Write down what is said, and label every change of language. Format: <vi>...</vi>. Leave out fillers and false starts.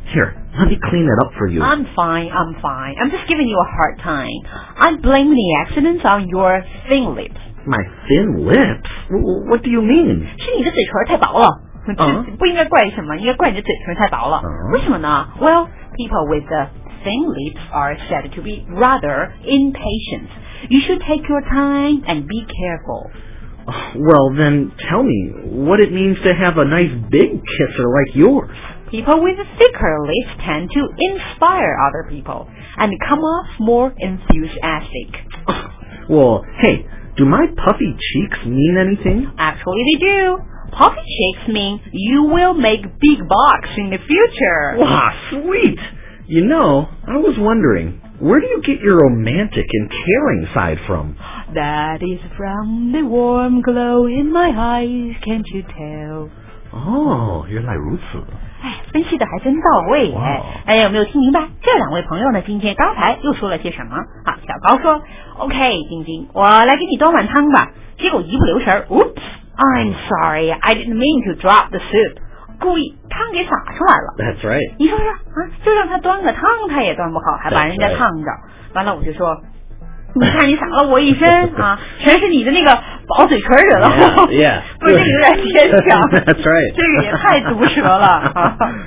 <en>Here, let me clean it up for you. I'm fine. I'm just giving you a hard time. I'm blaming the accidents on your thin lips. My thin lips? What do you mean?</en> <zh>是你的嘴唇太薄了。不应该怪什么，应该怪你的嘴唇太薄了。为什么呢？</zh> <en>Well, people with the thin lips are said to be rather impatient. You should take your time and be careful. Well, then tell me what it means to have a nice big kisser like yours. People with thicker lips tend to inspire other people and come off more enthusiastic. Well, hey, do my puffy cheeks mean anything? Actually, they do. Puffy cheeks mean you will make big bucks in the future. Wow, sweet. You know, I was wondering, where do you get your romantic and caring side from? That is from the warm glow in my eyes, can't you tell?</en> <zh>Oh, 原来如此。分析的还真到位。哎，有没有听明白这两位朋友呢今天刚才又说了些什么？好，小高说 OK, 晶晶，我来给你端碗汤吧。结果一不留神</zh> <en>Oops, I'm sorry, I didn't mean to drop the soup.</en> <zh>故意汤给洒出来了。</zh> <en>That's right.</en> <zh>你说说啊，就让他端个汤他也端不好，还把人家烫着。完了我就说你看你洒了我一身啊，全是你的那个薄嘴唇惹了祸。</zh> <en>Yeah,</en> <zh>不是，这有点牵强。</zh> <en>That's right.</en> <zh>这个也太毒舌了啊！</zh>